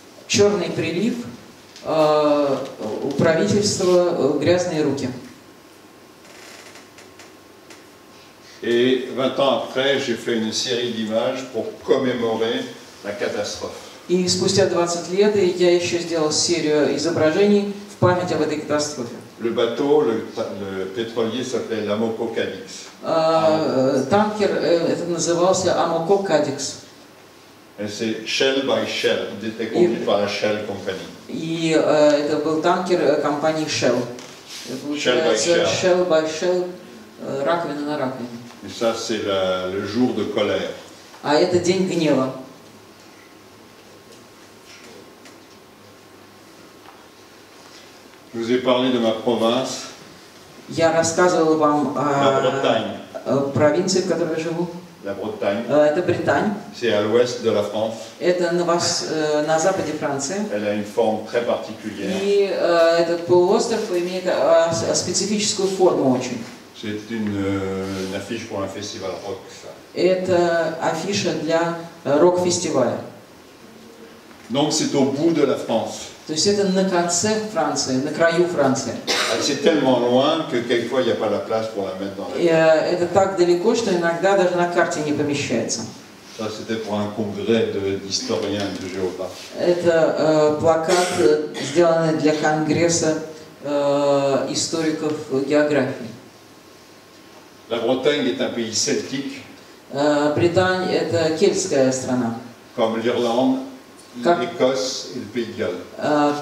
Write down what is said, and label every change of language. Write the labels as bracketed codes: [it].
[ru] Черный прилив, у правительства грязные руки. [fr] Et 20 ans après, j'ai fait une série d'images pour commémorer la catastrophe. [ru] И спустя 20 лет я еще сделал серию изображений в память об этой катастрофе. [fr] Le bateau, le pétrolier s'appelait l'Amoco Cadix. [ru] Танкер этот назывался Amoco Cadix. [fr] Et c'est [en] Shell by Shell, [fr] il était conduit par la Shell Company. [ru] Это был танкер компании Shell. [en] Shell by Shell. Shell by Shell, [ru] раковина на раковине. [fr] Et ça, c'est le jour de colère. [ru] А это день гнева. [fr] Je vous ai parlé de ma province. [ru] Я рассказывал вам о провинции, в которой я живу. [fr] La Bretagne. [ru] Это Британь. [fr] C'est à l'ouest de la France. [ru] Это на западе Франции. [fr] Elle a une forme très particulière. [ru] И этот полуостров имеет специфическую форму очень. [fr] C'est une affiche pour un festival rock. [ru] Это афиша для рок-фестиваля. [fr] Donc c'est au bout de la France. [ru] То есть это на конце Франции, на краю Франции. [fr] C'est tellement loin que quelquefois il n'y a pas la place pour la mettre dans. [ru] Это так далеко, что иногда даже на карте не помещается. [fr] Ça c'était pour un congrès d'historiens de géographes. [ru] Это плакат, сделанный для конгресса историков географии. [fr] La Bretagne est un pays celtique. [ru] Британь это кельтская страна. [fr] Comme l'Irlande. [ru] Как [fr] Écosse et le Pays de Galles.